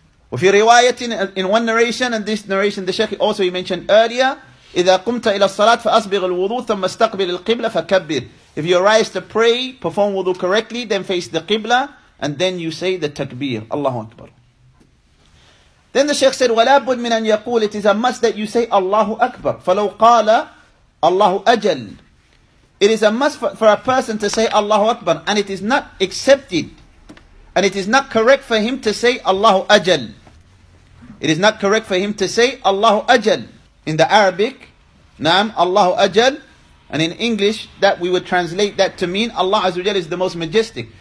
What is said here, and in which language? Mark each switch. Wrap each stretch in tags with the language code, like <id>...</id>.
<ar>وفي رواية,</ar> <en>in one narration, and this narration the Shaykh also he mentioned earlier,</en> <ar>إذا قمت إلى الصلاة فأصبغ الوضوء ثم استقبل القبلة فكبر.</ar> <en>If you arise to pray, perform wudu correctly, then face the qibla, and then you say the takbir, Allahu Akbar. Then the Shaykh said,</en> <ar>ولا بد من أن يقول,</ar> <en>it is a must that you say Allahu Akbar.</en> <ar>فلو قال Allahu أجل.</ar> <en>It is a must for a person to say Allahu Akbar, and it is not accepted, and it is not correct for him to say Allahu أجل. It is not correct for him to say Allahu أجل. In the Arabic, Naam Allahu Ajal, and in English, that we would translate that to mean Allah Azza wa Jal is the most majestic.</en>